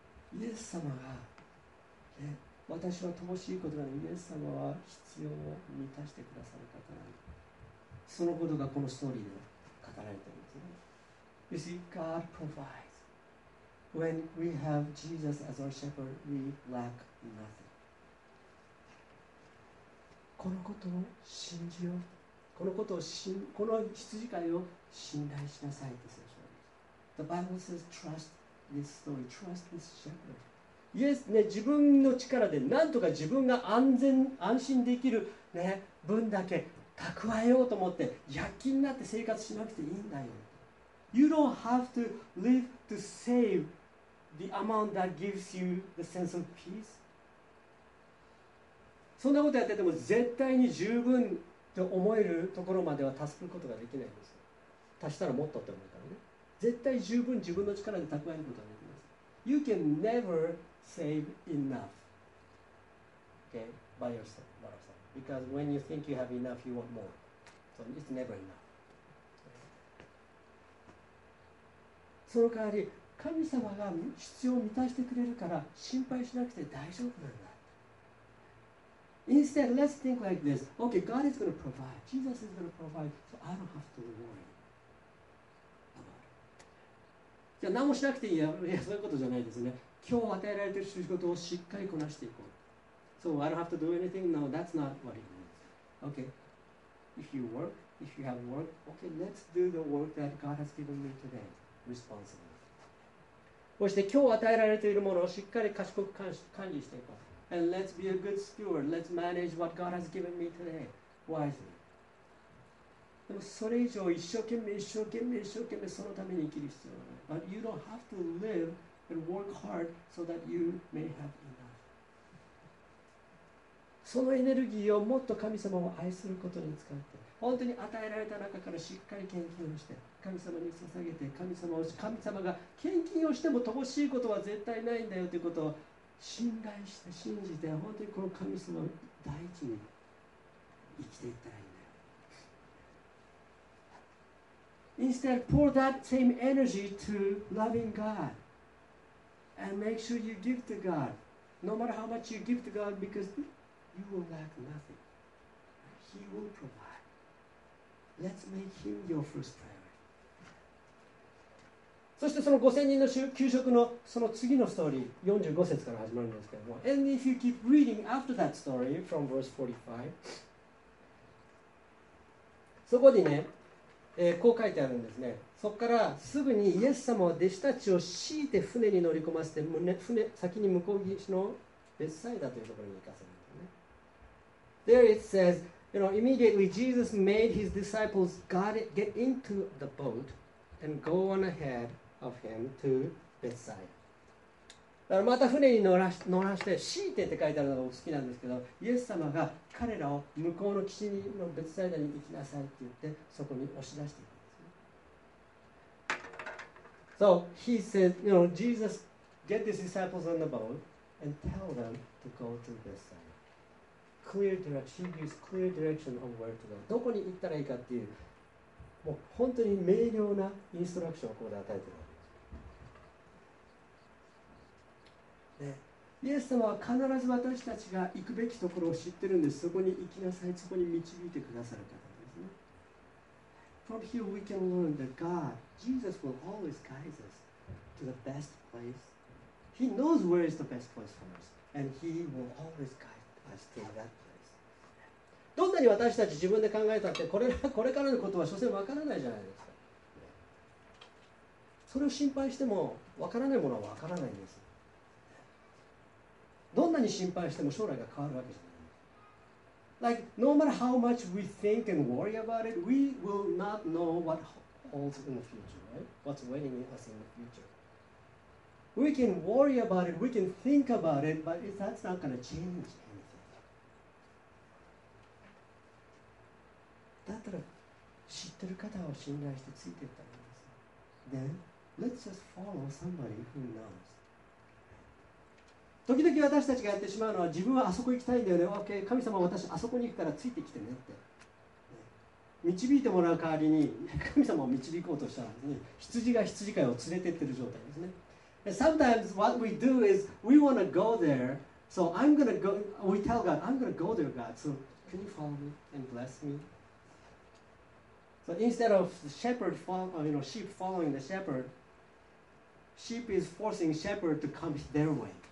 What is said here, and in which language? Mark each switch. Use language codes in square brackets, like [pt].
[ja] イエス様が、ね、私は乏しいことがない。イエス様は必要を満たしてくださる方なの。そのことがこのストーリーで語られているんですね。 [en] You see, God provides. When we have Jesus as our shepherd, we lack nothing. [ja] このことを信じよう。この羊飼いを信頼しなさいと聖書は言う。 [en] The Bible says, trust this story, trust this shepherd. [ja] イエス、ね、自分の力でなんとか自分が安心できる、ね、分だけ蓄えようと思って、躍起になって生活しなくていいんだよ。 [en] You don't have to live to save the amount that gives you the sense of peace. [ja] そんなことやってても絶対に十分と思えるところまでは助けることができないんです。足したらもっとって思うからね。絶対十分自分の力で蓄えることができます。 [en] You can never save enough, okay, by yourself. Because when you think you have enough, you want more. So it's never enough. [ja] その代わり、神様が必要を満たしてくれるから心配しなくて大丈夫なんだ。 [en] Instead, let's think like this. Okay, God is going to provide. Jesus is going to provide. So I don't have to worry. [ja] じゃあ何もしなくていいや。いや、そういうことじゃないですね。今日与えられている仕事をしっかりこなしていこう。 [en] So I don't have to do anything. No, that's not what it means. Okay. If you work, if you have work, okay, let's do the work that God has given me today, responsibly. [ja] そして今日与えられているものをしっかり賢く管理していこう。 [en] And let's be a good steward. Let's manage what God has given me today wisely. [ja] でもそれ以上一生懸命一生懸命一生懸命そのために生きる必要はない。 [en] But you don't have to live and work hard so that you may have enough. [ja] そのエネルギーをもっと神様を愛することに使って、本当に与えられた中からしっかり献金をして、神様に捧げて、神様を、神様が献金をしても乏しいことは絶対ないんだよということを信頼して信じて、本当にこの神様を第一に生きていったらいいんだよ。 [en] Instead, pour that same energy to loving God and make sure you give to God. No matter how much you give to God, because you will lack nothing. He will provide. Let's make Him your first priority. [ja] そしてその5000人の給食のその次のストーリー、45節から始まるんですけども。 [en] And if you keep reading after that story from verse 45, [ja] そこにね、こう書いてあるんですね。そこからすぐにイエス様は弟子たちを強いて船に乗り込ませて、船先に向こう岸のベッサイダというところに行かせるんですね。 [en] There it says, you know, immediately Jesus made his disciples get into the boat and go on ahead of him to Bethsaida. [ja] だからまた船に乗らして、強いてって書いてあるのが好きなんですけど、イエス様が彼らを向こうの岸のベツサイダに行きなさいって言って、そこに押し出していくんですね。 [en] So, he said, you know, Jesus, get these disciples on the boat and tell them to go to Bethsaida. Clear direction, he gives clear direction of where to go. [ja] どこに行ったらいいかっていう、もう本当に明瞭なインストラクションをここで与えてるわけです。イエス様は必ず私たちが行くべきところを知ってるんです。そこに行きなさい。そこに導いてくださる方ですね。 [en] From here we can learn that God, Jesus will always guide us to the best place. He knows where is the best place for us. And He will always guide us to that place. [ja] どんなに私たち自分で考えたって、これからのことは所詮わからないじゃないですか。それを心配しても、わからないものはわからないんです。どんなに心配しても将来が変わるわけじゃない。 [en] Like, no matter how much we think and worry about it, we will not know what holds in the future, right? What's waiting us in the future. We can worry about it, we can think about it, but that's not going to change anything. [ja] だったら知ってる方を信頼してついていったらいいです。 [en] Then, let's just follow somebody who knows. [ja] 時々私たちがやってしまうのは、自分はあそこ行きたいんだよね、OK、神様は私あそこに行くからついてきてねって、ね、導いてもらう代わりに神様を導こうとしたのに、羊が羊飼いを連れてってる状態ですね。 [en] Sometimes what we do is we want to go there, so I'm going to go, we tell God, I'm going to go there, God, so can you follow me and bless me? So instead of the shepherd follow, you know, sheep following the shepherd, sheep is forcing shepherd to come their way.